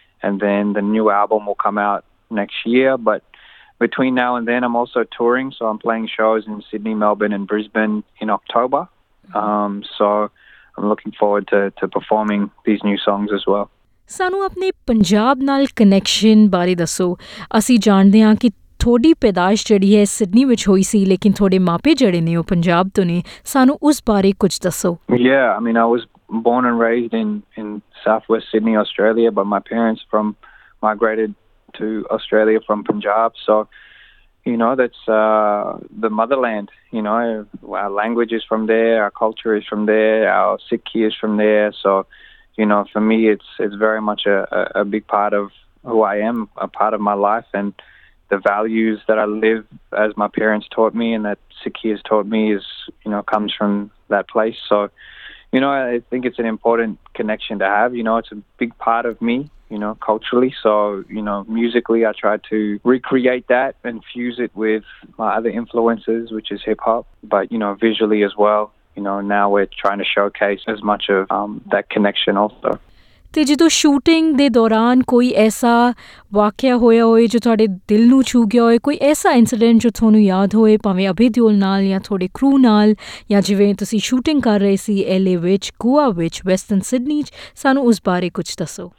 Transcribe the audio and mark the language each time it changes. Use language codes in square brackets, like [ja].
[en] And then the new album will come out next year, but between now and then, I'm also touring, so I'm playing shows in Sydney, Melbourne, and Brisbane in October. So I'm looking forward to performing these new songs as well. [pa] ਸਾਨੂੰ ਆਪਣੇ ਪੰਜਾਬ ਨਾਲ connection ਬਾਰੇ ਦੱਸੋ। ਅਸੀਂ ਜਾਣਦੇ ਹਾਂ ਕਿ ਤੁਹਾਡੀ ਪੈਦਾਇਸ਼ ਜਿਹੜੀ ਹੈ ਸਿਡਨੀ ਵਿੱਚ ਹੋਈ ਸੀ, ਲੇਕਿਨ ਤੁਹਾਡੇ ਮਾਪੇ ਜਿਹੜੇ ਨੇ ਉਹ ਪੰਜਾਬ ਤੋਂ ਨੇ, ਸਾਨੂੰ ਉਸ ਬਾਰੇ ਕੁਝ ਦੱਸੋ। [en] Yeah, I mean, I was born and raised in southwest Sydney, Australia, but my parents from migrated to Australia from Punjab, so you know that's the motherland, you know, our language is from there, our culture is from there, our Sikhi is from there, so you know, for me it's very much a big part of who I am, a part of my life, and the values that I live as my parents taught me and that Sikhi has taught me is, you know, comes from that place. So you know, I think it's an important connection to have, you know, it's a big part of me, you know, culturally. So, you know, musically I try to recreate that and fuse it with my other influences, which is hip hop, but you know, visually as well, you know, now we're trying to showcase as much of that connection also. [pa] ਤੇ ਜਦੋਂ shooting ਦੇ ਦੌਰਾਨ ਕੋਈ ਐਸਾ ਵਾਕਿਆ ਹੋਇਆ ਹੋਏ ਜੋ ਤੁਹਾਡੇ ਦਿਲ ਨੂੰ ਛੂ ਗਿਆ ਹੋਏ, ਕੋਈ ਐਸਾ ਇੰਸੀਡੈਂਟ ਜੋ ਤੁਹਾਨੂੰ ਯਾਦ ਹੋਏ, ਭਾਵੇਂ ਅਭੇ ਦਿਓਲ ਨਾਲ ਜਾਂ ਤੁਹਾਡੇ ਕਰੂ ਨਾਲ, ਜਾਂ ਜਿਵੇਂ ਤੁਸੀਂ ਸ਼ੂਟਿੰਗ ਕਰ ਰਹੇ ਸੀ ਐਲਏ ਵਿੱਚ, ਗੋਆ ਵਿੱਚ, ਵੈਸਟਰਨ ਸਿਡਨੀ 'ਚ, ਸਾਨੂੰ ਉਸ ਬਾਰੇ ਕੁਝ ਦੱਸੋ।